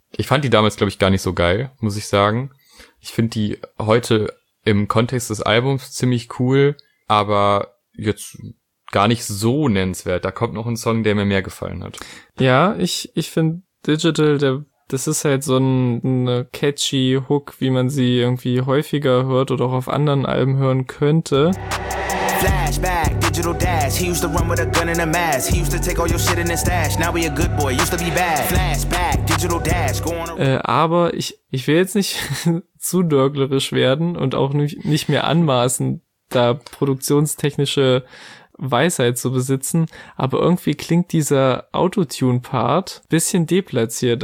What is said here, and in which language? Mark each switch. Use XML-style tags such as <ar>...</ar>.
<de>Ich fand die damals, glaube ich, gar nicht so geil, muss ich sagen. Ich finde die heute im Kontext des Albums ziemlich cool, aber jetzt gar nicht so nennenswert. Da kommt noch ein Song, der mir mehr gefallen hat. Ja, ich finde Digital, der das ist halt so eine catchy Hook, wie man sie irgendwie häufiger hört oder auch auf anderen Alben hören könnte.</de> <en>Flashback, digital dash. He used to run with a gun and a mask. He used to take all your shit in his stash. Now we a good boy. Used to be bad. Flashback, digital dash. Go on.</en> <de>Aber ich will jetzt nicht zu dörglerisch werden und auch nicht mehr anmaßen, da produktionstechnische Weisheit zu besitzen, aber irgendwie klingt dieser Autotune-Part bisschen deplatziert.</de>